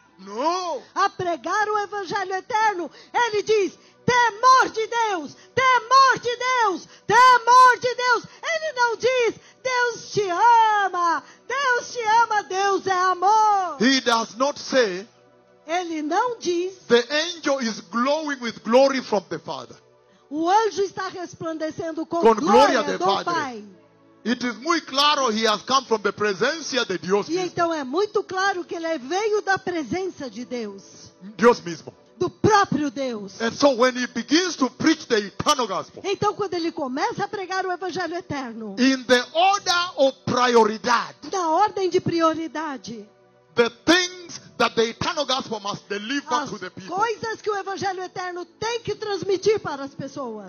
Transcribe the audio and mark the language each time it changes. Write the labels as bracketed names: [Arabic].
[Portuguese] não a pregar o evangelho eterno, ele diz, temor de Deus, temor de Deus, temor de Deus. Ele não diz, Deus te ama, Deus te ama, Deus é amor. [English] He does not say, [Portuguese] ele não diz, [English] the angel is glowing with glory from the Father. [Portuguese] O anjo está resplandecendo com glória do Padre. Pai. [English] It is [Spanish] muy claro [English] he has come from the [Spanish] presencia de Dios. [Portuguese] E então é muito claro que ele veio da presença de Deus. Deus mesmo. Do próprio Deus. [English] And so when he begins to preach the eternal gospel, [Portuguese] então quando ele começa a pregar o evangelho eterno, [English] in the order of prioridade, [Portuguese] na ordem de prioridade, [English] the things that the eternal gospel must deliver [Portuguese] as [English] to the people, [Portuguese] coisas que o evangelho eterno tem que transmitir para as pessoas,